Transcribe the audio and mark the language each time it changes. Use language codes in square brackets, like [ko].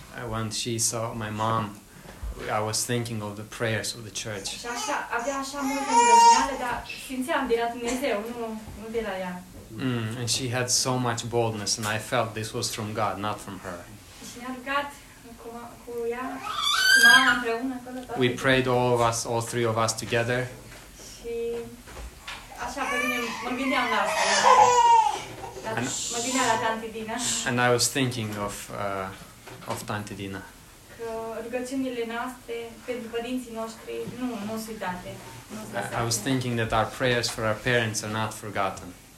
[en] When she saw my mom, I was thinking of the prayers of the church. [ro] Și așa, avea așa multă îndrăzneală, dar simțeam de la Dumnezeu, nu de la ea. [en] And she had so much boldness, and I felt this was from God, not from her. [ro] Și ne-a rugat cu ea, cu mama împreună, acolo toată. [en] We prayed all of us, all three of us together. [ro] Și... Așa, mă gândeam la asta. Mă gândeam la Tante Dina. [en] And I was thinking of Tante Dina. [ro] Că rugăciunile noastre pentru părinții noștri nu sunt uitate. [en] I was thinking that our prayers for our parents are not forgotten.